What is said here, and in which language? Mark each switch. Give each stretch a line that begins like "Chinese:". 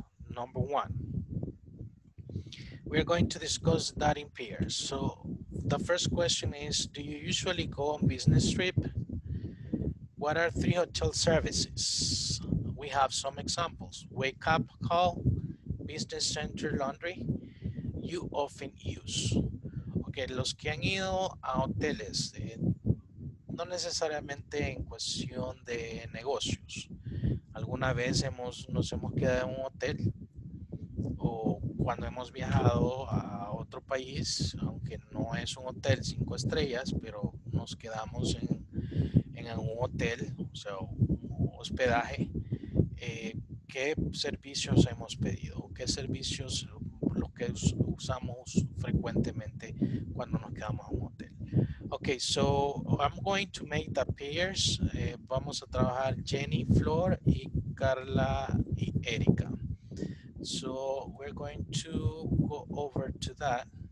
English: Number one, we're going to discuss that in pairs. So the first question is, do you usually go on business trip? What are three hotel services? We have some examples. Wake up call, business center laundry, you often use.
Spanish: Okay, los que han ido a hoteles, no necesariamente en cuestión de negocios. Alguna vez nos hemos quedado en un hotel o cuando hemos viajado a otro país, aunque no es un hotel cinco estrellas, pero nos quedamos en algún hotel, o sea, hospedaje, ¿qué servicios hemos pedido? ¿Qué servicios los que usamos frecuentemente cuando nos quedamos en un hotel?
English: Okay, so I'm going to make the pairs.
Spanish: Vamos a trabajar Jenny, Flor, y Carla, y Erika.
English: So we're going to go over to that.